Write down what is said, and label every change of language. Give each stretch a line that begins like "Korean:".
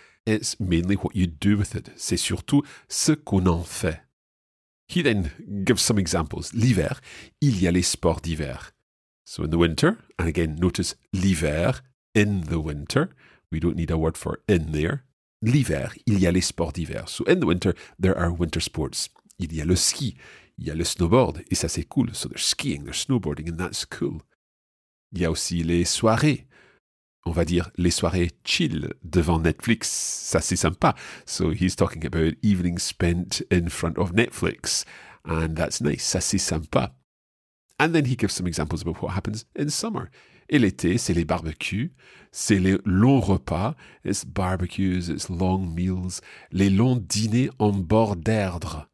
English: It's mainly what you do with it.
French: C'est surtout ce qu'on en fait.
English: He then gives some examples.
French: L'hiver, il y a les sports d'hiver.
English: So in the winter, and again, notice l'hiver, in the winter. We don't need a word for in there.
French: L'hiver, il y a les sports d'hiver.
English: So in the winter, there are winter sports.
French: Il y a le ski, il y a le snowboard, et ça c'est cool.
English: So they're skiing, they're snowboarding, and that's cool.
French: Il y a aussi les soirées. On va dire les soirées chill devant Netflix. Ça, c'est sympa.
English: So he's talking about evenings spent in front of Netflix. And that's nice.
French: Ça, c'est sympa.
English: And then he gives some examples about what happens in summer.
French: Et l'été, c'est les barbecues. C'est les longs repas.
English: It's barbecues, it's long meals.
French: Les longs dîners en bord d'Erdre.